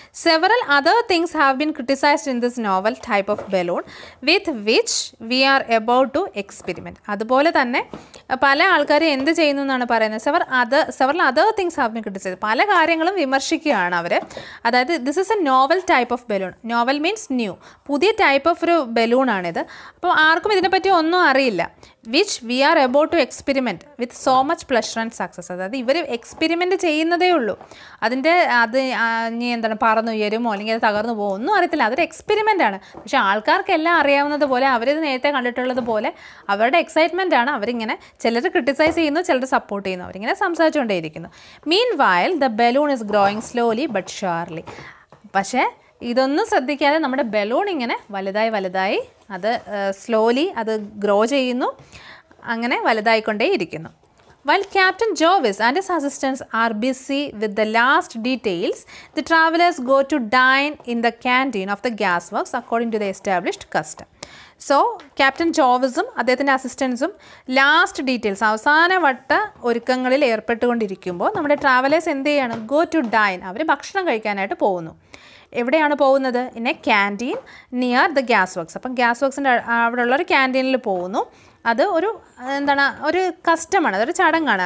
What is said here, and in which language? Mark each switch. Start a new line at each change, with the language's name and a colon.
English: Several other things have been criticised in this novel type of balloon with which we are about to experiment.
Malayalam: അതുപോലെ തന്നെ പല ആൾക്കാരും എന്ത് ചെയ്യുന്നു എന്നാണ് പറയുന്നത്,
English: several other things have been criticise,
Malayalam: പല കാര്യങ്ങളും വിമർശിക്കുകയാണ് അവർ. അതായത്
English: this is a novel type of balloon, novel means new,
Malayalam: പുതിയ ടൈപ്പ് ഓഫ് ഒരു ബലൂണാണിത്. അപ്പോൾ ആർക്കും ഇതിനെപ്പറ്റി ഒന്നും അറിയില്ല.
English: Which we are about to experiment with so much pleasure and success.
Malayalam: അതായത് ഇവർ എക്സ്പെരിമെൻ്റ് ചെയ്യുന്നതേ ഉള്ളൂ, അതിൻ്റെ അത് ഇനി എന്താണ് പറന്നു ഉയരുമോ അല്ലെങ്കിൽ അത് തകർന്നു പോകുമോ ഒന്നും അറിയത്തില്ല, അതൊരു എക്സ്പെരിമെൻ്റാണ്. പക്ഷെ ആൾക്കാർക്കെല്ലാം അറിയാവുന്നത് പോലെ, അവരിത് നേരത്തെ കണ്ടിട്ടുള്ളത് പോലെ, അവരുടെ എക്സൈറ്റ്മെൻ്റ് ആണ്. അവരിങ്ങനെ ചിലർ ക്രിട്ടിസൈസ് ചെയ്യുന്നു, ചിലർ സപ്പോർട്ട് ചെയ്യുന്നു, അവരിങ്ങനെ സംസാരിച്ചുകൊണ്ടേയിരിക്കുന്നു.
English: Meanwhile the balloon is growing slowly but surely.
Malayalam: പക്ഷേ ഇതൊന്നും ശ്രദ്ധിക്കാതെ നമ്മുടെ ബലൂൺ ഇങ്ങനെ വലുതായി വലുതായി അത് സ്ലോലി അത് ഗ്രോ ചെയ്യുന്നു, അങ്ങനെ വലുതായിക്കൊണ്ടേയിരിക്കുന്നു.
English: While Captain Jovis and his assistants are busy with the last details, the travelers go to dine in the canteen of the gas works according to the established custom.
Malayalam: So captain ജോവിസും അദ്ദേഹത്തിൻ്റെ അസിസ്റ്റൻസും last details അവസാനവട്ട ഒരുക്കങ്ങളിൽ ഏർപ്പെട്ടുകൊണ്ടിരിക്കുമ്പോൾ നമ്മുടെ travellers എന്ത് ചെയ്യാണ്, go to dine, അവർ ഭക്ഷണം കഴിക്കാനായിട്ട് പോകുന്നു. എവിടെയാണ് പോകുന്നത്,
English: ഇന്നെ canteen near the gas works.
Malayalam: അപ്പം ഗ്യാസ് വർക്ക്സിൻ്റെ അവിടെ ഉള്ള ഒരു ക്യാൻറ്റീനിൽ പോകുന്നു. അത് ഒരു എന്താണ് ഒരു കസ്റ്റമാണ്, അതൊരു ചടങ്ങാണ്.